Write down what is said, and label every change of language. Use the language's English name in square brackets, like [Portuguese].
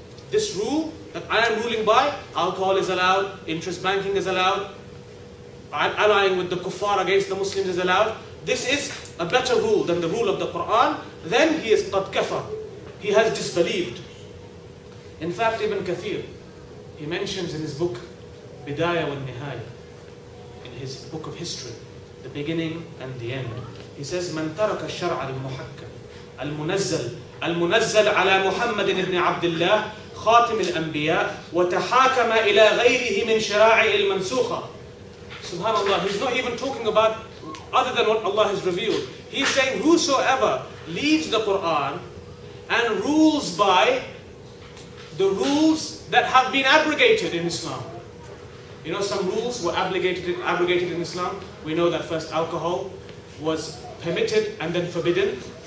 [English] This rule that I am ruling by, alcohol is allowed, interest banking is allowed, I'm allying with the kuffar against the Muslims is allowed, this is a better rule than the rule of the Quran, then he is qad kafar. He has disbelieved. In fact, Ibn Kathir, he mentions in his book, Bidayah wal Nihayah, in his book of history, the beginning and the end. He says, [Arabic] من ترك الشرع المحكم المنزل المنزل على محمد بن عبد الله خاتم الأنبياء وتحاكم إلى غيره من شرائع المنسوخة. سبحان الله. [English] He's not even talking about other than what Allah has revealed. He's saying whosoever leaves the Quran and rules by the rules that have been abrogated in Islam. You know, some rules were abrogated in Islam. We know that first alcohol was permitted and then forbidden.